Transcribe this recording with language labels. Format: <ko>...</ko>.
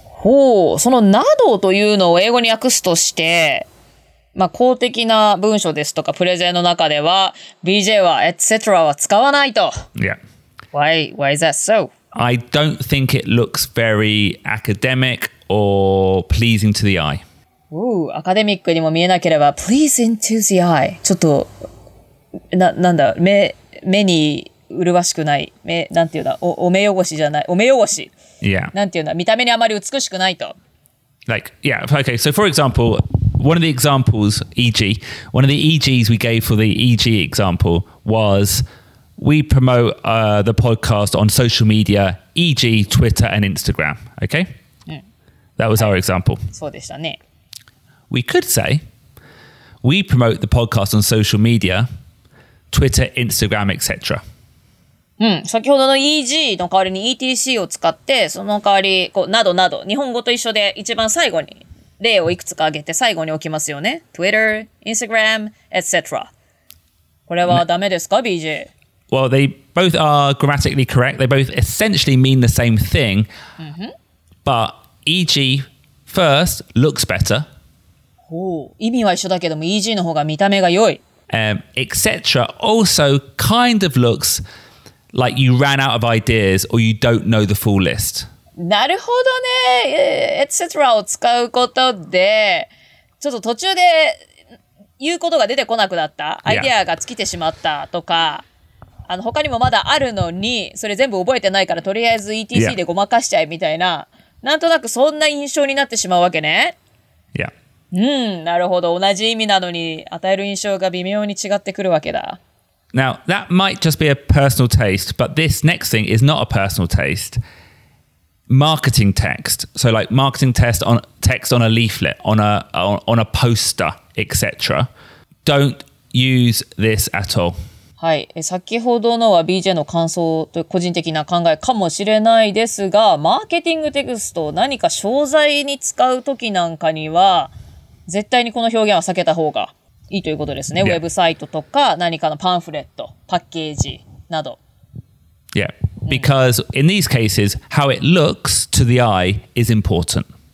<ja>ほう、そのなどというのを英語に訳すとして、まあ、公的な文書ですとかプレゼンの中では BJ は etc. は使わないと。</ja> <en>Yeah. Why is that so? I don't think it looks very academic or pleasing to the eye.</en> <ja>Ooh, アカデミックにも見えなければ</ja> <en>pleasing to the eye.</en> <ja>ちょっと なんだ 目に麗しくない、目なんていうんだ、 お目汚しじゃない、お目汚し、</ja> <en>Yeah.</en> <ja>なんていうんだ、見た目にあまり美しくないと。</ja> <en>Like, yeah, okay. So for example, one of the examples, e.g., one of the e.g.s we gave for the e.g. example was we promote the podcast on social media, e.g. Twitter and Instagram. Okay?、うん、That was、はい、our example.</en> <ja>そうでしたね。</ja> <en>We could say we promote the podcast on social media, Twitter, Instagram, etc.</en> <ja>うん、先ほどの EG の代わりに ETC を使って、その代わりこうなどなど、日本語と一緒で一番最後に例をいくつか挙げて最後に置きますよね。</ja> <en>Twitter, Instagram, etc.</en> <ja>これはダメですか、BJ?</ja> <en>Well, they both are grammatically correct. They both essentially mean the same thing.、 Mm-hmm. But EG first looks better.</en> <ja>ほう、意味は一緒だけども EG の方が見た目が良い。</ja> <en>Etc. also kind of looks... Like you ran out of ideas or you don't know the full list.</en> <ja>なるほどね。etc. を使うことで、ちょっと途中で言うことが出てこなくなった。アイデアが尽きてしまったとか、yeah. あの他にもまだあるのに、それ全部覚えてないからとりあえず ETC でごまかしちゃえみたいな、yeah. なんとなくそんな印象になってしまうわけね。</ja> <en>Yeah.</en> <ja>うん、なるほど。同じ意味なのに与える印象が微妙に違ってくるわけだ。</ja> <en>Now, that might just be a personal taste, but this next thing is not a personal taste. Marketing text. So like marketing text on a leaflet, on a poster, etc. Don't use this at all.</en> <ja>はい。先ほどのは BJ の感想と個人的な考えかもしれないですが、マーケティングテクスト、何か商材に使うときなんかには、絶対にこの表現は避けた方が。いいということですね。 Yeah. ウェブサイトとか何かのパンフレット、パッケージなど。</ja> <en>Yeah, because、うん、in these cases, how it looks to the eye is important.</en>